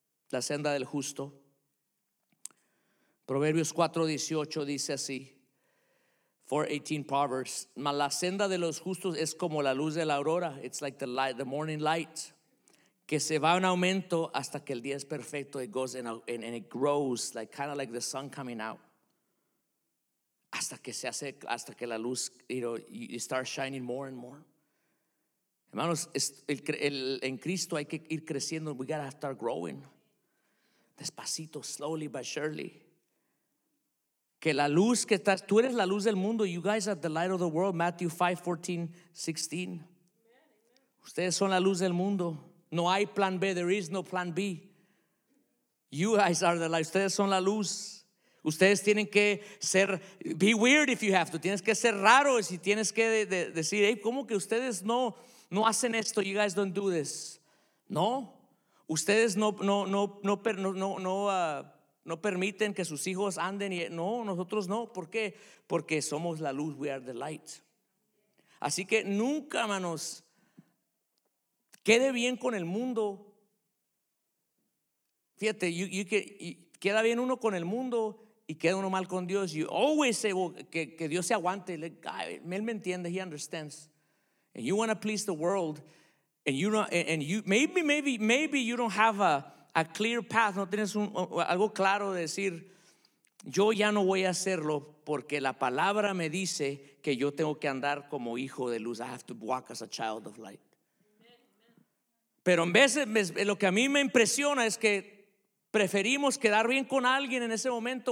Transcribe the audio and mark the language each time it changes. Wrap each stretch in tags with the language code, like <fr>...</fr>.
<es>La senda del justo. Proverbios 4:18 dice así. 4:18 Proverbs. Mas la senda de los justos es como la luz de la aurora.</es> <en>It's like the light, the morning light.</en> <es>Que se va en aumento hasta que el día es perfecto.</es> <en>It goes and it grows, like kind of like the sun coming out.</en> <es>Hasta que la luz,</es> <en>you know, starts shining more and more.</en> <es>Hermanos, en Cristo hay que ir creciendo.</es> <en>We gotta start growing.</en> <es>Despacito,</es> <en>slowly but surely.</en> <es>Que la luz que estás, tú eres la luz del mundo.</es> <en>You guys are the light of the world. Matthew 5:14-16.</en> <es>Ustedes son la luz del mundo. No hay plan B,</es> <en>there is no plan B. You guys are the light.</en> <es>Ustedes son la luz. Ustedes tienen que ser,</es> <en>be weird if you have to.</en> <es>Tienes que ser raro si tienes que decir, hey, ¿cómo que ustedes no hacen esto?</es> <en>You guys don't do this.</en> <es>No, ustedes no permiten que sus hijos anden. No, nosotros no. ¿Por qué? Porque somos la luz,</es> <en>we are the light.</en> <es>Así que nunca, hermanos, quede bien con el mundo. Fíjate, queda bien uno con el mundo y queda uno mal con Dios.</es> <en>You always say, well,</en> <es>que Dios se aguante. Él me entiende,</es> <en>he understands. And you want to please the world. And you don't, and you maybe you don't have a clear path.</en> <es>No tienes algo claro de decir, yo ya no voy a hacerlo porque la palabra me dice que yo tengo que andar como hijo de luz.</es> <en>I have to walk as a child of light.</en> <es>Pero en veces lo que a mí me impresiona es que preferimos quedar bien con alguien en ese momento.</es>